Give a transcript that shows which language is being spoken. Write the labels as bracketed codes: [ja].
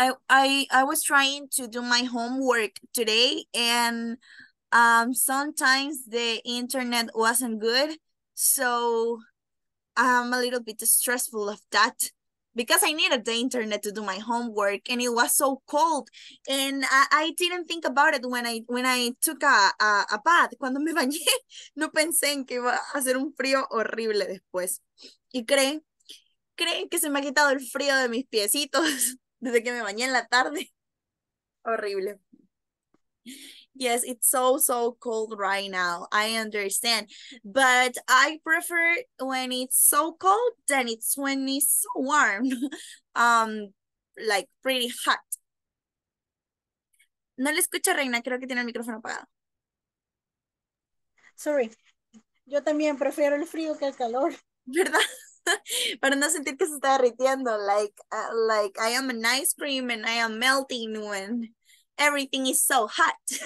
[en] I was trying to do my homework today, and sometimes the internet wasn't good, so I'm a little bit stressful of that. Because I needed the internet to do my homework and it was so cold and I didn't think about it when I took a bath. [es] Cuando me bañé, no pensé en que iba a hacer un frío horrible después. ¿Y creen que se me ha quitado el frío de mis piecitos desde que me bañé en la tarde? [en] Horrible. Yes, it's so cold right now. I understand. But I prefer when it's so cold than it's when it's so warm. Like pretty hot. [es] No le escucho, Reina. Creo que tiene el micrófono apagado. Sorry, yo también prefiero el frío que el calor. ¿Verdad? Para no sentir que se está derritiendo. [en] Like I am an ice cream and I am melting when everything is so hot.